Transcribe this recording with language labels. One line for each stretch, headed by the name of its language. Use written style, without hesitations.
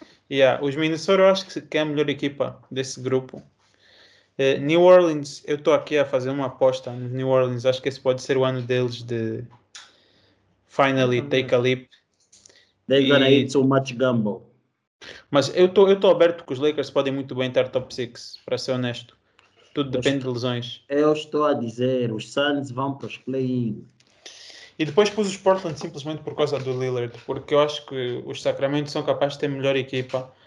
Portuguese: Yeah, os Minnesota, eu acho que é a melhor equipa desse grupo. New Orleans, eu estou aqui a fazer uma aposta no New Orleans, acho que esse pode ser o ano deles de
English: finally take a leap. They're gonna eat so much gumbo.
Portuguese: Mas eu estou aberto que os Lakers podem muito bem estar top 6, para ser honesto. Tudo depende de lesões. Eu estou a dizer, os Suns vão para os play-in. E depois pus os Portland simplesmente por causa do Lillard, porque eu acho que os Sacramento são capazes de ter melhor equipa.